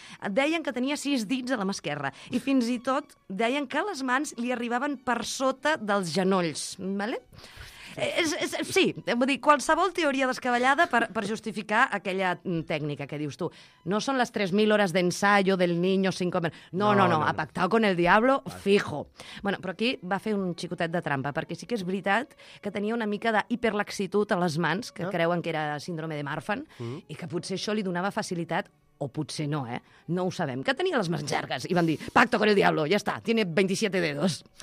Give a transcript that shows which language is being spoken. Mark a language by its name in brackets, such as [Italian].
[Catalan] Deien que tenia 6 dits a la mà esquerra i fins i tot deien que les mans li arribaven per sota dels genolls, vale? Sí, vull dir, qualsevol teoria descabellada per justificar aquella tècnica que dius tu. [Spanish] No són les 3.000 hores d'ensayo del niño sin comer. No, ha pactado con el diablo, fijo. [Catalan] Bueno, però aquí va fer un xicotet de trampa, perquè sí que és veritat que tenia una mica d'hiperlaxitud a les mans, que creuen que era síndrome de Marfan, i que potser això li donava facilitat, o potser no, eh? No ho sabem. Que tenia les mans llargues i van dir, [Spanish] pacto con el diablo, [Catalan] ja està, [Spanish] tiene 27 dedos.